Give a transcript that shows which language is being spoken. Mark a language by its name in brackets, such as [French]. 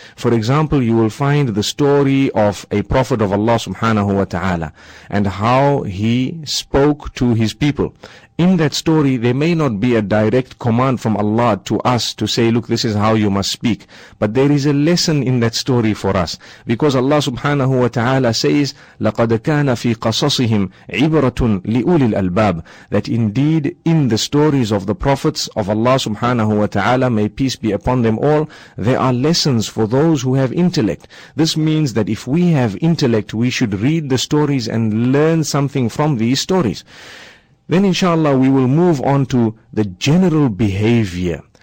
[English] For example, you will find the story of a prophet of Allah subhanahu wa ta'ala and how he spoke to his people. In that story, there may not be a direct command from Allah to us to say, look, this is how you must speak. But there is a lesson in that story for us. Because Allah subhanahu wa ta'ala says, [Arabic] لَقَدْ كَانَ فِي قَصَصِهِمْ عِبْرَةٌ لِأُولِي الْأَلْبَابِ. [English] That indeed, in the stories of the prophets of Allah subhanahu wa ta'ala, may peace be upon them all, there are lessons for those who have intellect. This means that if we have intellect, we should read the stories and learn something from these stories. Then inshallah we will move on to the general behavior.